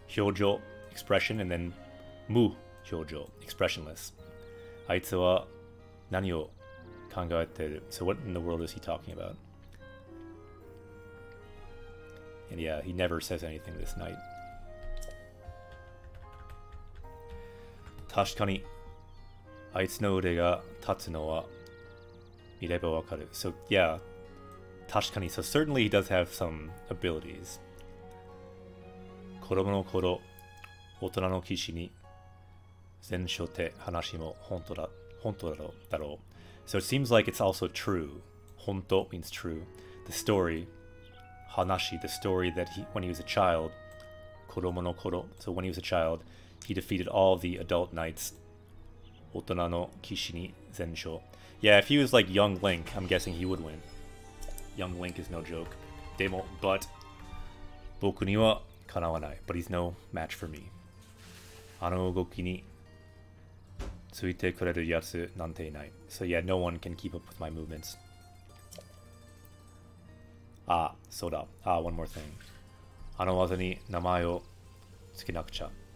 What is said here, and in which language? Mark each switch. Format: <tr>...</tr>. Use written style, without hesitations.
<ja>表情</ja> <en>expression And then</en> <ja>無症状</ja> <en>expressionless</en> <ja>あいつは何を考えてる</ja> <en>So what in the world is he talking about? And yeah, he never says anything this knight</en> <ja>確かにあいつの腕が立つのは見ればわかる。</ja> <en>So, yeah,</en> <ja>確かに。</ja> <en>So, certainly he does have some abilities.</en> <ja>子供の頃、大人の騎士に前書って話も本当だろう。</ja> <en>So, it seems like it's also true. 本当 means true. The story, 話, the story that he, when he was a child,</en> <ja>子供の頃、</ja> <en>so when he was a child,He defeated all the adult knights.</en> <ja>大人の騎士に全勝</ja> <en>Yeah, if he was like young Link, I'm guessing he would win. Young Link is no joke.</en> <ja>でも、</ja> <en>but...</en> <ja>僕にはかなわない</ja> <en>But he's no match for me.</en> <ja>あの動きについてくれるやつなんていない</ja> <en>So yeah, no one can keep up with my movements.</en> <ja>ああ、そうだ。ああ、</ja> <en>one more thing.</en> <ja>あの技に名前をつけなくちゃ。</ja>